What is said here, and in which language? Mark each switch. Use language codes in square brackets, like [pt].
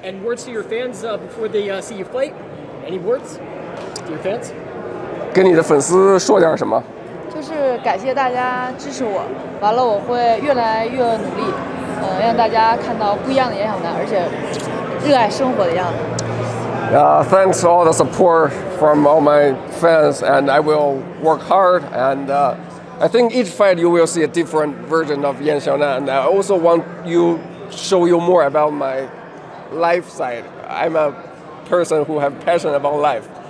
[en] And words to your fans before they see you fight. Any words to your fans? [zh] 跟你的粉丝说点什么？就是感谢大家支持我，完了我会越来越努力，让大家看到不一样的严小南，而且热爱生活的样子。 [en] Thanks for all the support from all my fans, and I will work hard. And I think each fight you will see a different version of Yan Xiaonan. And I also want to show you more about my life side. I'm a person who have passion about life.